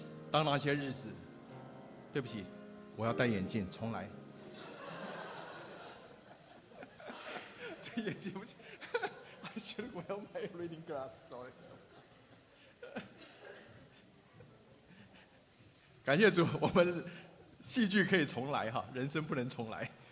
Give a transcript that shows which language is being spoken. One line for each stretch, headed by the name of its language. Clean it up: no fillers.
Chinese: 当那些日子，对不起，我要戴眼镜，重来。这眼镜不行，
English: I should wear my reading glass, sorry.
Chinese: 感谢主，我们戏剧可以重来哈，人生不能重来。